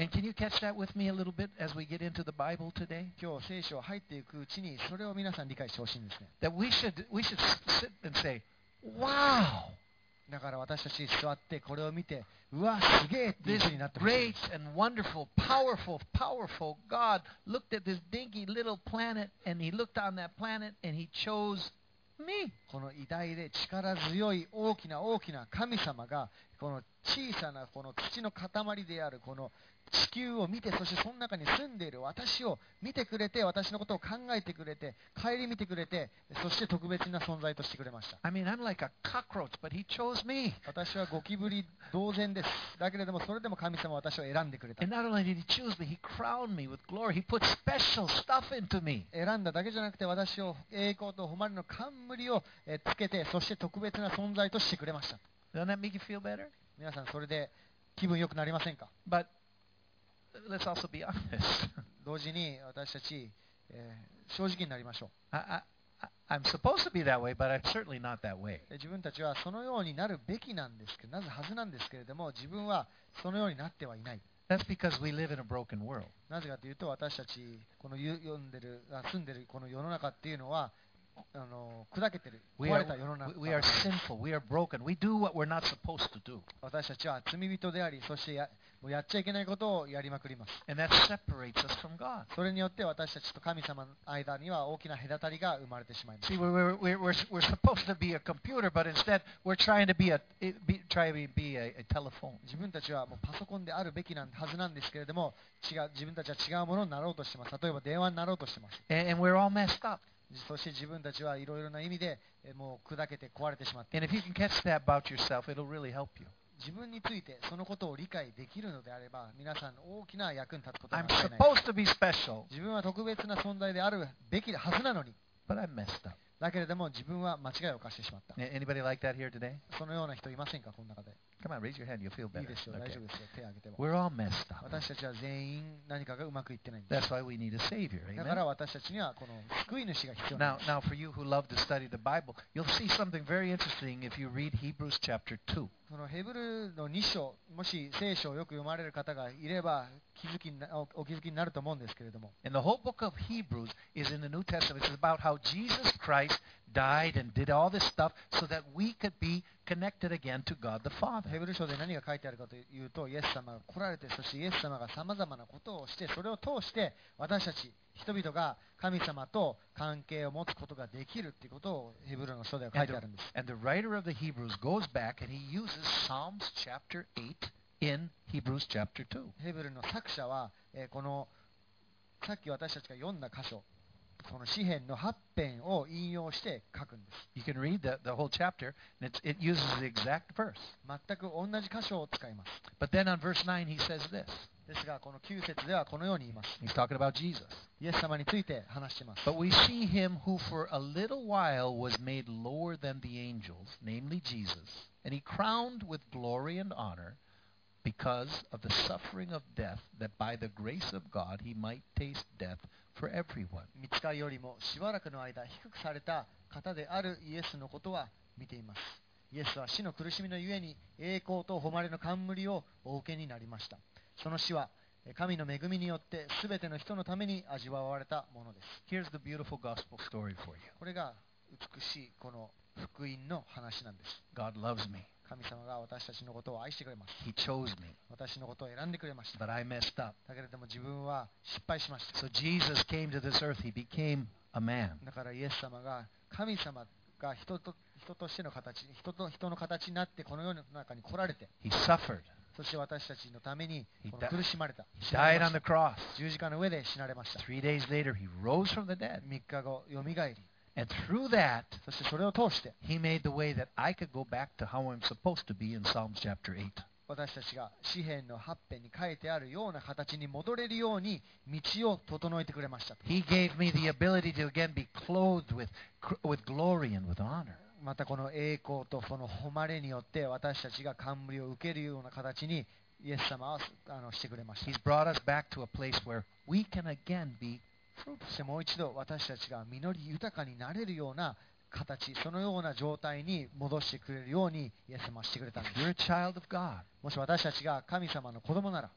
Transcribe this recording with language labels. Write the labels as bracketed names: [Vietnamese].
[English] And can you catch that with me a little bit as we get into the Bible today? [Japanese] 今日聖書を入っていくうちにそれを皆さん理解してほしいんですね。 [English] That we should sit and say. Wow! [Japanese] だから私たち座ってこれを見て、うわ、すげえって言うになってます。 [English] This great and wonderful, powerful, powerful God looked at this dinky little planet and he looked on that planet and he chose me. [Japanese] この偉大で力強い大きな大きな神様がこの小さなこの土の塊であるこの地球を見て、そしてその中に住んでいる私を見てくれて、私のことを考えてくれて、顧みてくれて、そして特別な存在としてくれました。 [English] I mean, I'm like a cockroach, but he chose me. [Japanese] 私はゴキブリ同然です。だけれども、それでも神様は私を選んでくれた。 [English] And not only did he choose me, he crowned me with glory. He put special stuff into me. [Japanese] 選んだだけじゃなくて、私を栄光と誉れの冠をつけて、そして特別な存在としてくれました。 [English] Doesn't that make you feel better? [Japanese] 皆さん、それで気分良くなりませんか? [English] ButLet's also be honest. [Japanese] 同時に私たち、正直になりましょう。 [English] I'm supposed to be that way, but I'm certainly not that way. [Japanese] 自分たちはそのようになるべきなんですけど、なぜはずなんですけれども、自分はそのようになってはいない。 [English] That's because we live in a broken world. [Japanese] なぜかというと、私たちこの住んでるこの世の中っていうのは、砕けてる、壊れた世の中。 [English] We are sinful. We are broken. We do what we're not supposed to do. [Japanese] 私たちは罪人であり、そしてもうやっちゃいけないことをやりまくります。 [English] And that separates us from God. [Japanese] それによって私たちと神様の間には大きな隔たりが生まれてしまいます。 [English] See, we're supposed to be a computer, but instead we're trying to be a telephone. [Japanese] 自分たちはもうパソコンであるべきなはずなんですけれども、自分たちは違うものになろうとしています。例えば電話になろうとしています。 [English] And we're all messed up. [Japanese] そして自分たちはいろいろな意味でもう砕けて壊れてしまって。 [English] And if you can catch that about yourself, it'll really help you. [Japanese] 自分についてそのことを理解できるのであれば、皆さん大きな役に立つことがない。 [English] I'm supposed to be special. [Japanese] 自分は特別な存在であるべきはずなのに。 [English] But I messed up. [Japanese] だけれども自分は間違いを犯してしまった。 [English] Anybody like that here today? [Japanese] そのような人いませんか、この中で。 [English] Come on, raise your hand. You'll feel better. [Japanese] いいですよ、大丈夫ですよ、手を挙げても。 [English] We're all messed up. [Japanese] 私たちは全員何かがうまくいってないんです。 [English] That's why we need a savior. [Japanese] だから私たちにはこの救い主が必要なんです。 [English] Now, for you who love to study the Bible, you'll see something very interesting if you read Hebrews chapter 2. [Japanese] そのヘブルの2章、もし聖書をよく読まれる方がいれば気づきになると思うんですけれども。 [English] And the whole book of Hebrews is in the New Testament. It's about how Jesus Christ died and did all this stuff so that we could be connected again to God the Father. [Japanese] ヘブル書で何が書いてあるかというと、イエス様が来られて、そしてイエス様がさまざまなことをして、それを通して私たち人々が神様と関係を持つことができるということをヘブルの書では書いてあるんです。 [English] And the writer of the Hebrews goes back and he uses Psalms chapter 8 in Hebrews chapter 2. [Japanese] ヘブルの作者は、このさっき私たちが読んだ箇所、この詩篇の8編を引用して書くんです。 [English] You can read the whole chapter and it uses the exact verse. [Japanese] 全く同じ箇所を使います。 [English] But then on verse 9 he says this. [Japanese] ですがこの9節ではこのように言います。 [English] He's talking about Jesus. [Japanese] イエス様について話しています。 [English] But we see him who for a little while was made lower than the angels, namely Jesus, and he crowned with glory and honor because of the suffering of death, that by the grace of God he might taste death for everyone. [Japanese] 御使いよりもしばらくの間低くされた方であるイエスのことは見ています。イエスは死の苦しみのゆえに栄光と誉れの冠をお受けになりました。その死は神の恵みによってすべての人のために味わわれたものです。 [English] Here's the beautiful gospel story for you. [Japanese] これが美しいこの福音の話なんです。 [English] God loves me. [Japanese] 神様が私たちのことを愛してくれます。 [English] He chose me. [Japanese] 私のことを選んでくれました。 [English] But I messed up. [Japanese] だけれども自分は失敗しました。 [English] So Jesus came to this earth. He became a man. [Japanese] だからイエス様が神様が人としての形、人の形になってこの世の中に来られて。 [English] He suffered. [Japanese] そして私たちのために苦しまれた。 [English] He died on the cross. [Japanese] 十字架の上で死なれました。 [English] Three days later, he rose from the dead. [Japanese] 3日後、よみがえり。 [English] And through that, [Japanese] そしてそれを通して、 [English] he made the way that I could go back to how I'm supposed to be in Psalms chapter [Japanese] 8. 私たちが詩篇の8編に書いてあるような形に戻れるように道を整えてくれました。 [English] He gave me the ability to again be clothed with glory and with honor. [Japanese] またこの栄光とその誉れによって私たちが冠を受けるような形にイエス様はしてくれました。 [English] He's brought us back to a place where we can again be fruitful. [Japanese] そしてもう一度私たちが実り豊かになれるような形、そのような状態に戻してくれるようにイエス様はしてくれたんです。 [English] You're a child of God. [Japanese] もし私たちが神様の子供なら、